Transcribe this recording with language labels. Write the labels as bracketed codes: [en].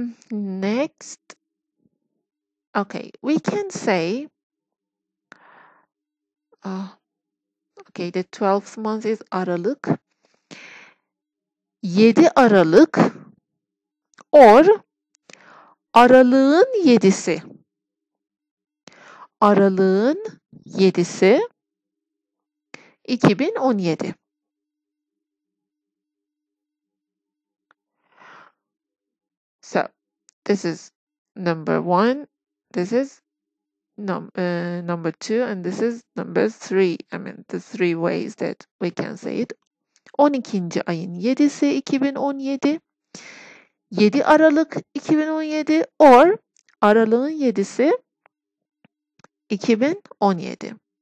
[en] Next, okay, we can say, the 12th month is Aralık, [tr] 7 Aralık, or Aralığın 7'si, Aralığın 7'si, [en] 2017. So, this is number one, this is number two, and this is number three. I mean, the three ways that we can say it. 12. [tr] Ayın 7'si 2017, 7 Aralık 2017, [en] or [tr] Aralığın 7'si 2017.